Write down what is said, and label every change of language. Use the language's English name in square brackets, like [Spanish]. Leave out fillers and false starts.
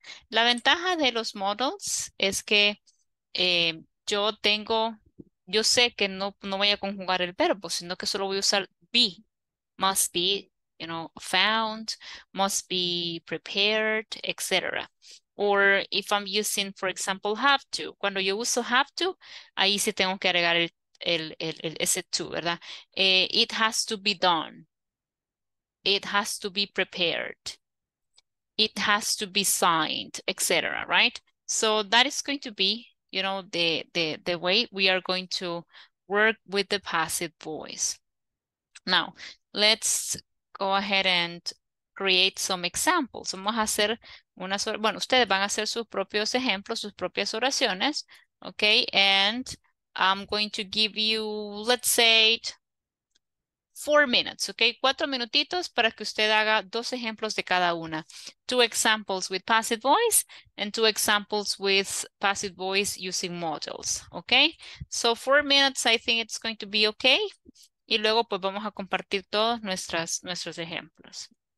[Spanish] La ventaja de los models es que yo tengo, yo sé que no voy a conjugar el verbo, sino que solo voy a usar be, must be. [English] You know, found, must be prepared, etc. Or if I'm using, for example, have to. [Spanish] Cuando yo uso have to, ahí sí tengo que agregar el ese to, ¿verdad? [English] It has to be done. It has to be prepared. It has to be signed, etc. Right? So that is going to be, you know, the way we are going to work with the passive voice. Now, let's go ahead and create some examples. [Spanish] Vamos a hacer unas, bueno, ustedes van a hacer sus propios ejemplos, sus propias oraciones, okay? [English] And I'm going to give you, let's say, 4 minutes, okay? [Spanish] 4 minutitos para que usted haga 2 ejemplos de cada una. [English] 2 examples with passive voice and 2 examples with passive voice using models, okay? So 4 minutes, I think it's going to be okay. [Spanish] Y luego pues vamos a compartir todos nuestros ejemplos.